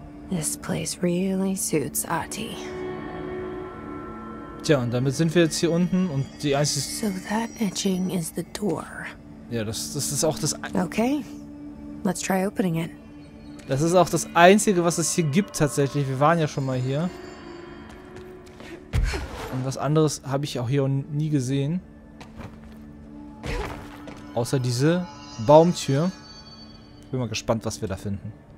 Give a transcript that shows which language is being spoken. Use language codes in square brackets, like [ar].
[en] This place really suits Ati. [de] Tja, und damit sind wir jetzt hier unten und die einzige. [en] So that etching is the door. [de] Ja, das ist auch das. [en] Okay. Let's try opening it. [de] Das ist auch das Einzige, was es hier gibt tatsächlich. Wir waren ja schon mal hier. Und was anderes habe ich auch hier nie gesehen. Außer diese Baumtür. Ich bin mal gespannt, was wir da finden.